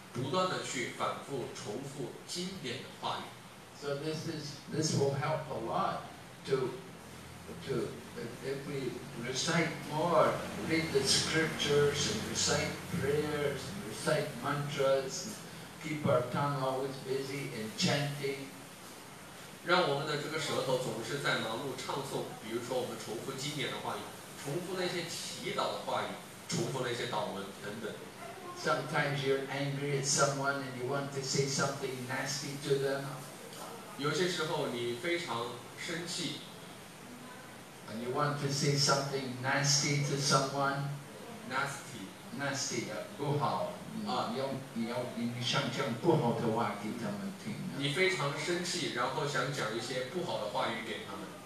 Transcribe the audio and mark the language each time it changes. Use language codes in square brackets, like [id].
[zh] 所以呢，为了解决这一点，我们应该不断的去反复重复经典的话语。 [en] So this will help a lot to if we recite more, read the scriptures and recite prayers and recite mantras and keep our tongue always busy in chanting. 让我们的这个舌头总是在忙碌唱诵，比如说我们重复经典的话语，重复那些祈祷的话语，重复那些祷文等等。 Sometimes you're angry at someone and you want to say something nasty to them. [zh] 有些时候你非常生气。 [en] And you want to say something nasty to someone? Nasty. [zh] Nasty, 不好. 你要想讲不好的话给他们听。你非常生气, 然后想讲一些不好的话语给他们。